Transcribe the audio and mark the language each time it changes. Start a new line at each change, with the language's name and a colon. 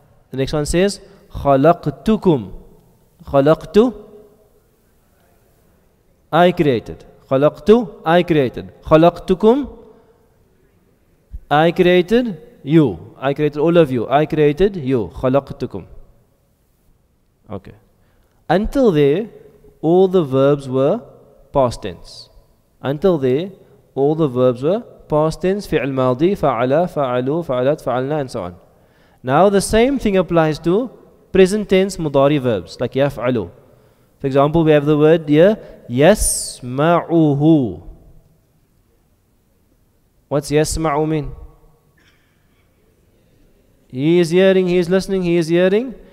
English: The next one says
Arabic: خلقتكم خلقت
English: I created خلقت I created خلقتكم I created you. I created all of you. I created you. خلقتكم. Okay. Until there, all the verbs were past tense. Until there, all the verbs were past tense.
Arabic: فعل ماضي, فعل, فعلوا, فعلت, فعلنا,
English: and so on. Now the same thing applies to present tense مضاري verbs, like يفعلوا. For example, we have the word here, يسمعه. What's يسمع mean? He is hearing, he is listening, he is hearing.